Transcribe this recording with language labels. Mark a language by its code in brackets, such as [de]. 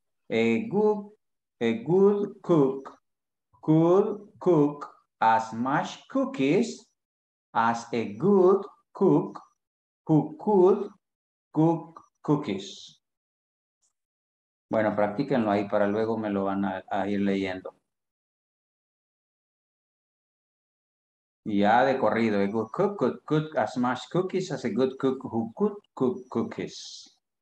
[en] A good cook could cook as much cookies as a good cook who could cook cookies. [es] Bueno, practíquenlo ahí para luego me lo van a ir leyendo. Ya de corrido, [en] a good cook could cook as much cookies as a good cook who could cook cookies.